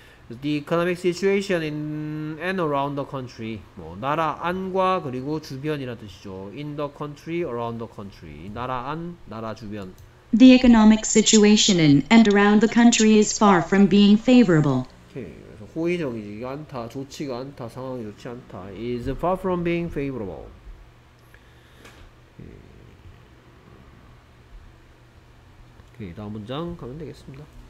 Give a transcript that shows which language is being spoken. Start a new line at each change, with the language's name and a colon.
English: The economic situation in and around the country.
Korean: 뭐 나라 안과 그리고 주변이라는 뜻이죠.
English: In the country, around the country. 나라 안, 나라 주변. The economic situation in and around the country is far from being favorable. Okay.
Korean: 그래서 호의적이지 않다, 좋지가 않다, 상황이 좋지 않다.
English: Is far from being favorable.
Korean: 오케이. 다음 문장 가면 되겠습니다.